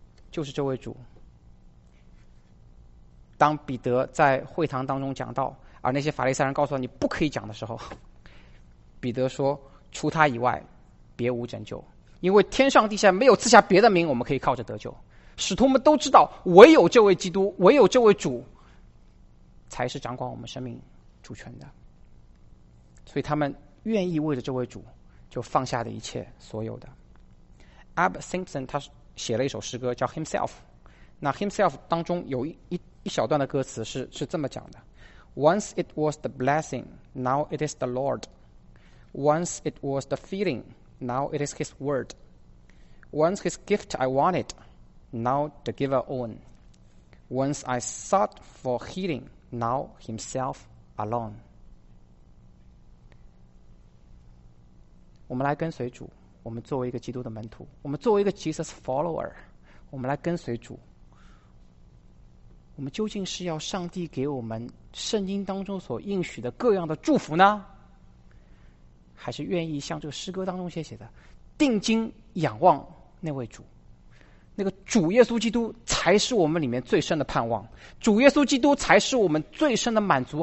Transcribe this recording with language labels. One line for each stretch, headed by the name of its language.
Chinese: 就是这位主，当彼得在会堂当中讲道，而那些法利赛人告诉他你不可以讲的时候，彼得说：“除他以外别无拯救，因为天上地下没有赐下别的名我们可以靠着得救。” 使徒们都知道，唯有这位基督，唯有这位主才是掌管我们生命主权的，所以他们愿意为了这位主就放下的一切所有的。 Abb Simpson 他写了一首诗歌叫 Himself， 那 Himself 当中有一小段的歌词是这么讲的：
English: Once it was the blessing, now it is the Lord. Once it was the feeling, now it is his word. Once his gift I wanted, now the giver own. Once I sought for healing, now himself alone.
Chinese: 我们来跟随主，我们作为一个基督的门徒，我们作为一个
English: Jesus follower，
Chinese: 我们来跟随主，我们究竟是要上帝给我们圣经当中所应许的各样的祝福呢，还是愿意像这个诗歌当中写的，定睛仰望那位主，那个主耶稣基督才是我们里面最深的盼望，主耶稣基督才是我们最深的满足。